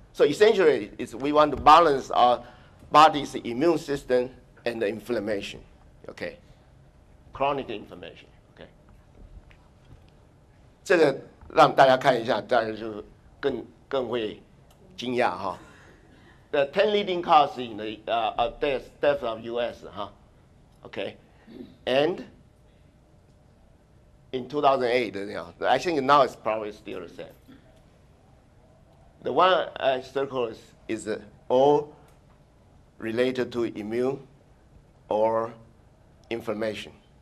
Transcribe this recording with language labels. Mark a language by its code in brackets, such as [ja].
[en] So essentially, it's we want to balance our body's immune system and the inflammation. Okay. Chronic inflammation. Okay. [zh] 这个让大家看一下，当然就更会惊讶哈。 [en] The 10 leading causes in the death of U.S. Huh? Okay. And. In 2008, you know, I think now it's probably still the same. The one I circle is all related to immune or inflammation.